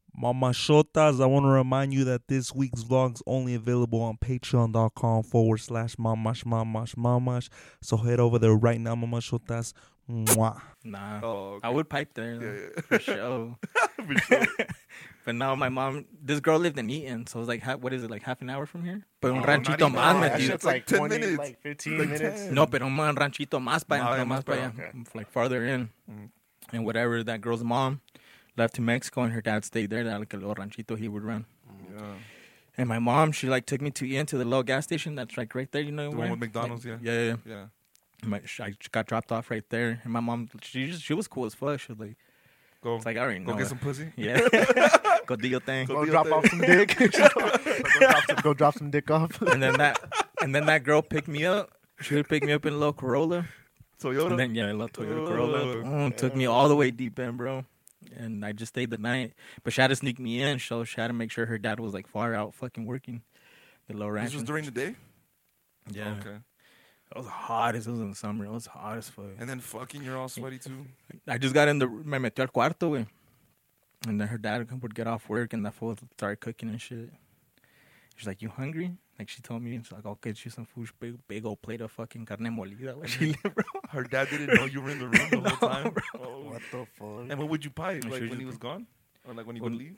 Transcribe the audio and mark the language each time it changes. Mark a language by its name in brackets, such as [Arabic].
[English] Mamashotas, I want to remind you that this week's vlog's only available on patreon.com/mamash. So head over there right now, mamashotas. Mwah. Nah. Oh, okay. I would pipe there. Yeah, yeah. For sure. For sure. But now my mom, this girl lived in Eaton, so it was like, what is it, like half an hour from here? But no, [Spanish] un ranchito más, [English] dude. It's like 20, 10 minutes. Like 15 like minutes. [Spanish] 10. No, pero un ranchito más para allá, [English] like farther in. Mm. And whatever, that girl's mom left to Mexico and her dad stayed there, that like a little ranchito he would run. Yeah. And my mom, she like took me to Eaton, to the little gas station that's like right there, you know? The one with McDonald's, like, yeah. Yeah, yeah, yeah. I got dropped off right there. And my mom, she was cool as fuck. She was like, go. It's like, I already know. Go get some pussy. Yeah. Go do your thing. Go drop off some dick. Go drop some dick off. And then that girl picked me up. She would pick me up in a little Corolla. Toyota? And then, yeah, a little Toyota Corolla. Took me all the way deep in, bro. And I just stayed the night. But she had to sneak me in. So she had to make sure her dad was, like, far out fucking working. The little ranch. This was during the day? Yeah. Okay. It was hot as it was in the summer. It was hot as fuck. And then fucking, you're all sweaty too. I just got in [Spanish] me metió al cuarto, güey. [English] And then her dad would get off work and that fool would start cooking and shit. She's like, you hungry? Like she told me, and she's like, I'll get you some food. Big old plate of fucking carne molida. Where she lived, bro. Her dad didn't know you were in the room the whole time. Bro. Oh. What the fuck? And what would you pipe? Like when he was gone? Or like when you would leave?